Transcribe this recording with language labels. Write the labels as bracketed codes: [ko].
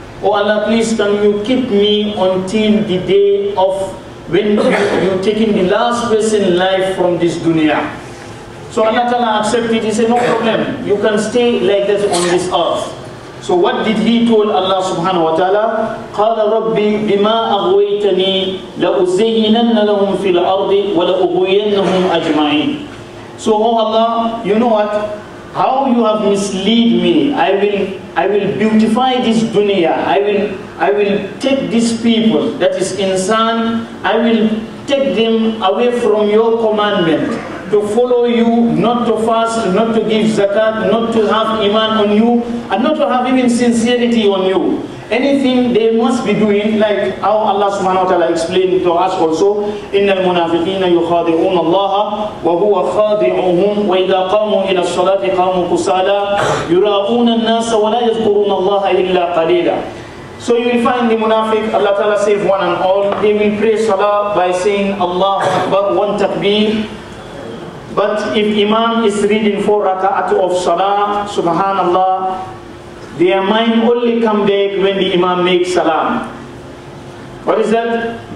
[en] Oh Allah, please can you keep me until the day of when you taking the last person life from this dunya. So Allah Ta'ala accepted. He said, no problem, you can stay like this on this earth. So what did he told Allah subhanahu wa ta'ala? [ar] قَالَ رَبِّي بِمَا أَغْوَيْتَنِي لَأُزَيِّنَنَّ لَهُمْ فِي الْأَرْضِ وَلَأُغْوِيَنَّهُمْ أَجْمَعِينَ. [en] So oh Allah, you know what? How you have misled me. I will beautify this dunya. I will take these people, that is insan, I will take them away from your commandment to follow you, not to fast, not to give zakat, not to have iman on you, and not to have even sincerity on you. Anything they must be doing, like how Allah subhanahu wa ta'ala explained to us also, [ar] إِنَّ الْمُنَافِقِينَ يُخَادِعُونَ اللَّهَ وَهُوَ خَادِعُهُمْ وَإِذَا قَامُوا إِلَى الصَّلَاةِ قَامُوا كُسَالَى يُرَاؤُونَ النَّاسَ وَلَا يَذْكُرُونَ اللَّهَ إِلَّا قَلِيلًا. [en] So you will find the munafiq, Allah ta'ala save one and all, they will pray salah by saying Allah Akbar, one takbir. But if imam is reading four rakaat of salah, subhanallah, their mind only come back when the imam makes salam. What is that?